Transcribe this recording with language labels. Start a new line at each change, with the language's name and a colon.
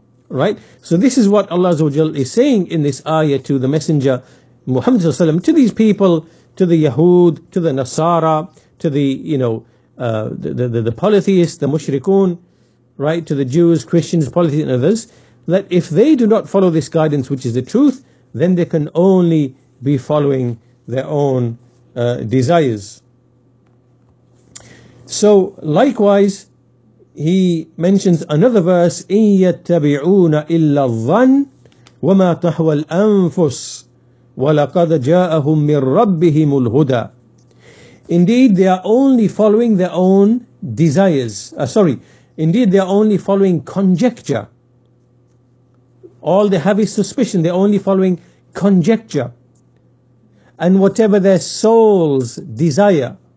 English: Right? So this is what Allah Azza wa Jal is saying in this ayah to the Messenger Muhammad Sallallahu Alaihi Wasallam, to these people, to the Yahud, to the Nasara, to the polytheists, the mushrikun, right, to the Jews, Christians, polytheists and others, that if they do not follow this guidance, which is the truth, then they can only be following their own desires. So likewise, he mentions another verse,
Arabic: إِن يَتَّبِعُونَ إِلَّا الظَّنَّ وَمَا تَحْوَى الْأَنفُسُ وَلَقَدْ جَاءَهُم مِّن رَّبِّهِمُ الْهُدَى.
English: Indeed, they are only following their own desires. Indeed, they are only following conjecture. All they have is suspicion. They are only following conjecture. And whatever their souls desire.